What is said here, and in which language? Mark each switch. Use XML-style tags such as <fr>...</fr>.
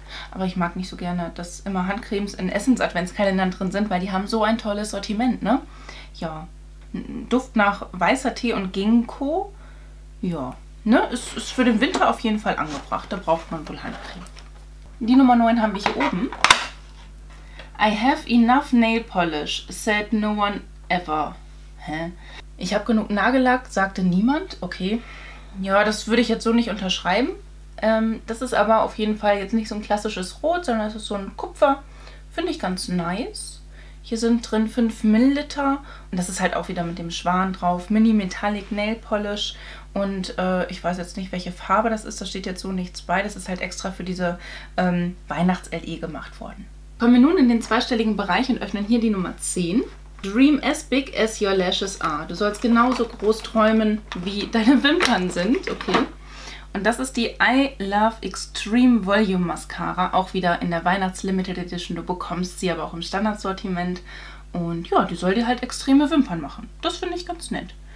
<de>Aber ich mag nicht so gerne, dass immer Handcremes in Essence-Adventskalendern drin sind, weil die haben so ein tolles Sortiment, ne? Ja, Duft nach weißer Tee und Ginkgo, ja, ne? Ist für den Winter auf jeden Fall angebracht, da braucht man wohl Handcreme. Die Nummer 9 haben wir hier oben.</de> <en>I have enough nail polish, said no one ever.</en> <de>Hä? Ich habe genug Nagellack, sagte niemand. Okay. Ja, das würde ich jetzt so nicht unterschreiben. Das ist aber auf jeden Fall jetzt nicht so ein klassisches Rot, sondern es ist so ein Kupfer. Finde ich ganz nice. Hier sind drin 5 Milliliter. Und das ist halt auch wieder mit dem Schwan drauf. Mini Metallic Nail Polish. Und ich weiß jetzt nicht, welche Farbe das ist. Da steht jetzt so nichts bei. Das ist halt extra für diese Weihnachts-LE gemacht worden. Kommen wir nun in den zweistelligen Bereich und öffnen hier die Nummer 10.</de> <en>Dream as big as your lashes are.</en> <de>Du sollst genauso groß träumen, wie deine Wimpern sind. Okay. Und das ist die I Love Extreme Volume Mascara. Auch wieder in der Weihnachts-Limited Edition. Du bekommst sie aber auch im Standardsortiment. Und ja, die soll dir halt extreme Wimpern machen. Das finde ich ganz nett.</de>